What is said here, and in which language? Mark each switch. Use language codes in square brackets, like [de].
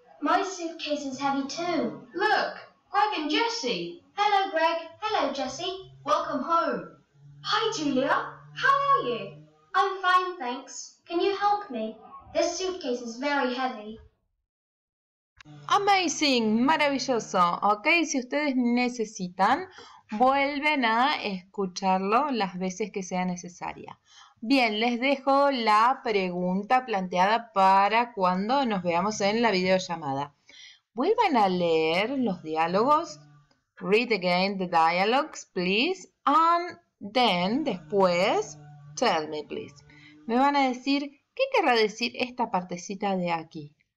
[en] My suitcase is heavy too. Look, Greg and Jessie. Hello, Greg. Hello, Jessie. Welcome home. Hi, Julia. How are you? I'm fine, thanks. Can you help me? This suitcase is very heavy. Amazing, maravilloso. [es] Ok, si ustedes necesitan, vuelven a escucharlo las veces que sea necesaria. Bien, les dejo la pregunta planteada para cuando nos veamos en la videollamada. Vuelvan a leer los diálogos. [en] Read again the dialogues, please. And then, después, tell me, please. [es] Me van a decir, ¿qué querrá decir esta partecita de aquí?